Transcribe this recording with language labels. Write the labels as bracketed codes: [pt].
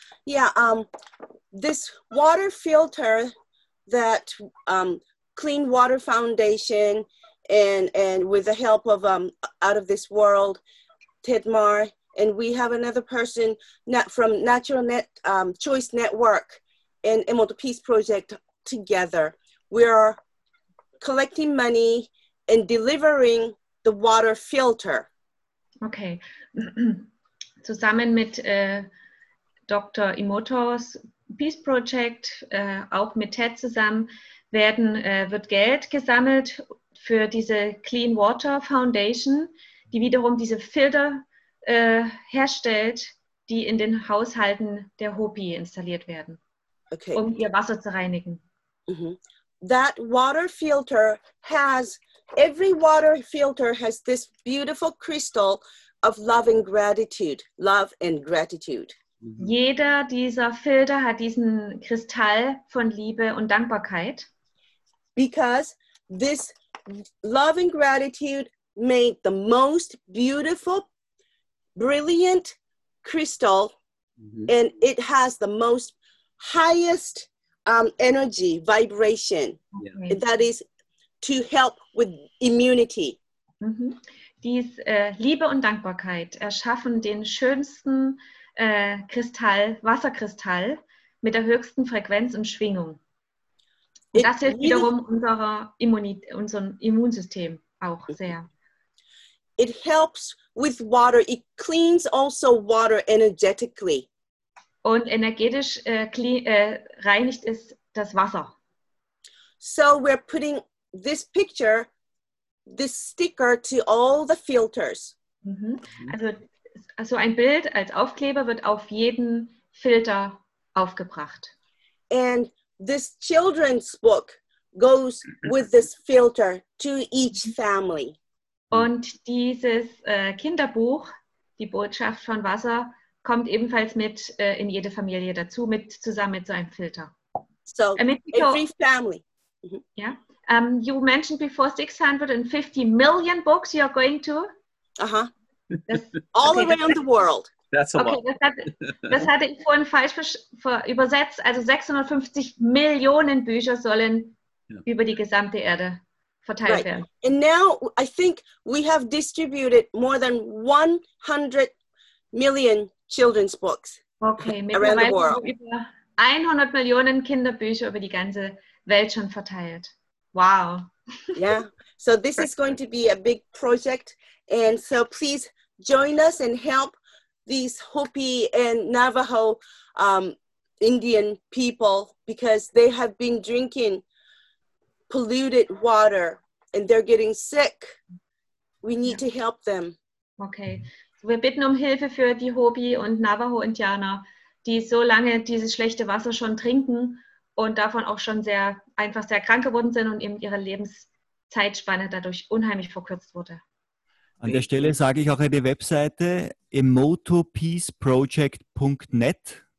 [en] Yeah, this water filter that Clean Water Foundation and with the help of Out of This World, Tidmar, and we have another person from Natural Net Choice Network and Emerald Peace Project together. We are collecting money and delivering the water filter. [de] Okay. Zusammen mit Dr. Emoto's Peace Project, auch mit Ted zusammen, wird Geld gesammelt für diese Clean Water Foundation, die wiederum diese Filter herstellt, die in den Haushalten der Hopi installiert werden, okay, um ihr Wasser zu reinigen. Mm-hmm. [en] That water filter has, every water filter has this beautiful crystal of love and gratitude, love and gratitude. [de] Jeder dieser Filter hat diesen Kristall von Liebe und Dankbarkeit. [en] Because this love and gratitude made the most beautiful, brilliant crystal, mm-hmm, and it has the most highest energy, vibration, yeah, that is to help with immunity. Mm-hmm. [de] Dies Liebe und Dankbarkeit erschaffen den schönsten Kristall, Wasserkristall mit der höchsten Frequenz und Schwingung. Und das hilft wiederum unserem Immunsystem auch sehr. [en] It helps with water. It cleans also water energetically. [de] Und energetisch reinigt es das Wasser. [en] So we're putting this picture, this sticker to all the filters. Mm-hmm. [de] Also ein Bild als Aufkleber wird auf jeden Filter aufgebracht. [en] And this children's book goes with this filter to each family. [de] Und dieses Kinderbuch, die Botschaft von Wasser, kommt ebenfalls mit in jede Familie dazu, mit zusammen mit so einem Filter. [en] So every family. Mm-hmm. Yeah. You mentioned before 650 million books you're going to. Uh-huh. All around the world. That's a lot. [de] Okay, das hatte ich vorhin falsch übersetzt. Also 650 Millionen Bücher sollen, yeah, über die gesamte Erde verteilt, right, werden. [en] And now I think we have distributed more than 100 million children's books, okay, around the world. [de] Okay, mittlerweile über 100 Millionen Kinderbücher über die ganze Welt schon verteilt. Wow. Yeah. [en] So this is going to be a big project. And so please join us and help these Hopi and Navajo Indian people, because they have been drinking polluted water and they're getting sick. We need, yeah, to help them. Okay. [de] So wir bitten Hilfe für die Hopi und Navajo Indianer, die so lange dieses schlechte Wasser schon trinken und davon auch schon sehr einfach sehr krank geworden sind und eben ihre Lebenszeitspanne dadurch unheimlich verkürzt wurde. An der Stelle sage ich auch die Webseite emotopeaceproject.net.